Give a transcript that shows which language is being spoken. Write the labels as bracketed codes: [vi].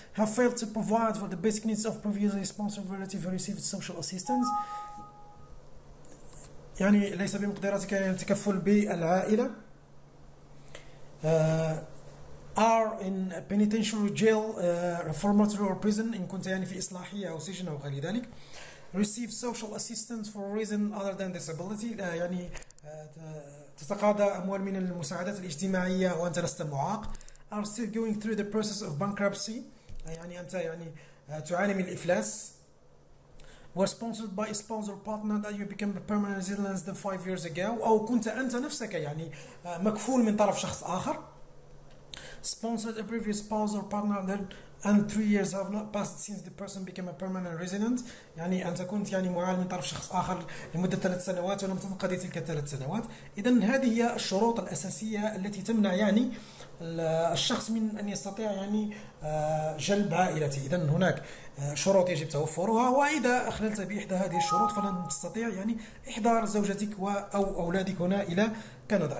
[en] Have failed to provide for the basic needs of previously sponsored relative who received social assistance، [ar] يعني ليس بمقدراتك التكفل بالعائلة. [en] Are in penitentiary jail reformatory or prison، [ar] إن كنت يعني في إصلاحية أو سجن أو غير ذلك. [en] receive social assistance for a reason other than disability. [ar] يعني تتقاضى أموال من المساعدات الاجتماعية وأنت لست معاق. [en] Are still going through the process of bankruptcy. [ar] يعني أنت يعني تعاني من الإفلاس. [en] Were sponsored by a sponsor partner that you became a permanent residence the 5 years ago. [ar] أو كنت أنت نفسك يعني مكفول من طرف شخص آخر. [en] Sponsored a previous sponsor partner then and 3 years have not passed since the person became a permanent resident. [ar] يعني أنت كنت يعني معال من طرف شخص آخر لمدة 3 سنوات ولم تنقضي تلك 3 سنوات. إذن هذه هي الشروط الأساسية التي تمنع يعني الشخص من أن يستطيع يعني جلب عائلته. إذن هناك شروط يجب توفرها، وإذا أخللت بإحدى هذه الشروط فلن تستطيع يعني إحضار زوجتك أو أولادك هنا إلى كندا.